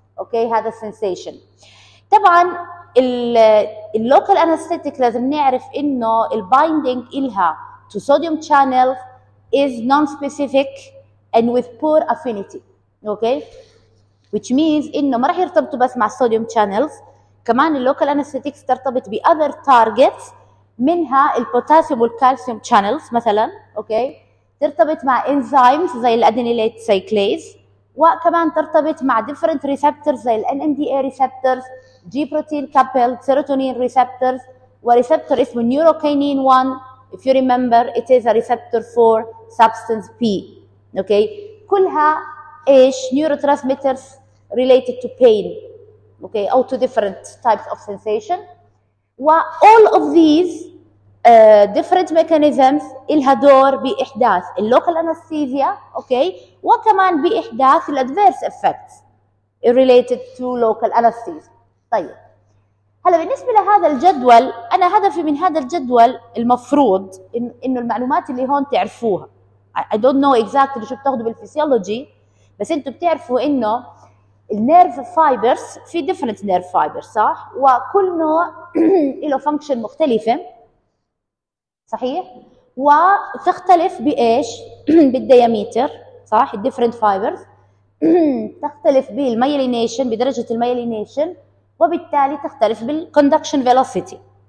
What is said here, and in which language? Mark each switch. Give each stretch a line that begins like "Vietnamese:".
Arabic: اوكي، هذا السنسيشن. طبعا اللوكال انستيتيك لازم نعرف انه البايندينج الها تو صوديوم شانل
English: is non-specific and with poor affinity. Okay, which means
Arabic: إنه ما رح يرتبطوا بس مع sodium channels.
English: كمان the local anesthetics ترتبط بother targets، منها the potassium and calcium channels مثلاً. Okay, ترتبط مع enzymes زي the adenylate cyclase،
Arabic: وكمان ترتبط مع
English: different receptors زي the NMDA receptors، G protein coupled serotonin receptors، وreceptor اسمه neurokinin 1. If you remember, it is a receptor for substance P. Okay,
Arabic: كلها إيش؟
English: neurotransmitters related to pain. Okay, or to different types of sensation. وall of these different mechanisms
Arabic: إلها دور بإحداث
English: the local anesthesia. Okay,
Arabic: وكمان بإحداث
English: the adverse effects related to local anesthesia.
Arabic: طيب. هلا بالنسبه لهذا الجدول، انا هدفي من هذا الجدول المفروض انه المعلومات اللي هون تعرفوها.
English: I don't know exactly
Arabic: شو بتاخذوا بالفيسيولوجي، بس انتم بتعرفوا انه النيرف فايبرز في ديفرنت نيرف فايبرز، صح؟ وكل نوع له فانكشن مختلفه، صحيح؟ وتختلف بايش؟ بالدياميتر، صح؟ الديفرنت فايبرز تختلف بالميلينيشن، بدرجه الميلينيشن، وبالتالي تختلف بالكوندكشن فيلوسيتي.